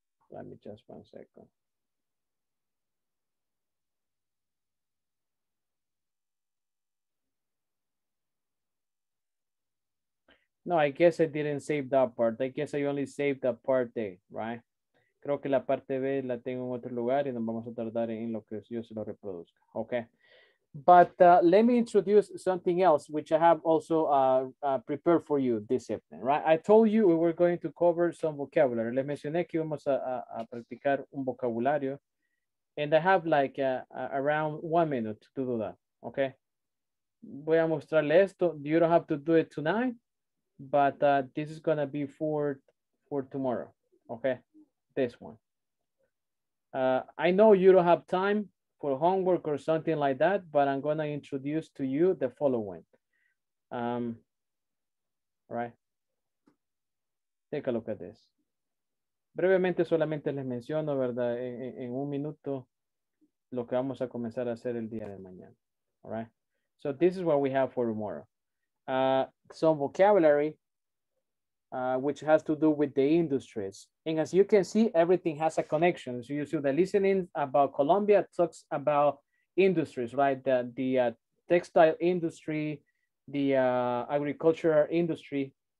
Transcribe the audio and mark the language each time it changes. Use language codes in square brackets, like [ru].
[en] Let me just 1 second. No, I guess I didn't save that part. I guess I only saved that part A, right? [es] Creo que la parte B la tengo en otro lugar y nos vamos a tardar en lo que yo se lo reproduzca, okay? [en] But let me introduce something else, which I have also prepared for you this evening, right? I told you we were going to cover some vocabulary. [es] Les mencioné que vamos a practicar un vocabulario. [en] And I have like around 1 minute to do that, okay? [es] Voy a mostrarle esto. [en] You don't have to do it tonight, but this is going to be for tomorrow, okay? This one. I know you don't have time for homework or something like that, but I'm gonna introduce to you the following. Right? Take a look at this. [es] Brevemente solamente les menciono, ¿verdad? En un minuto, lo que vamos a comenzar a hacer el día de mañana, all right? [en] So this is what we have for tomorrow. Some vocabulary, which has to do with the industries. And as you can see, everything has a connection. So you see the listening about Colombia talks about industries, right? The textile industry, the agricultural industry.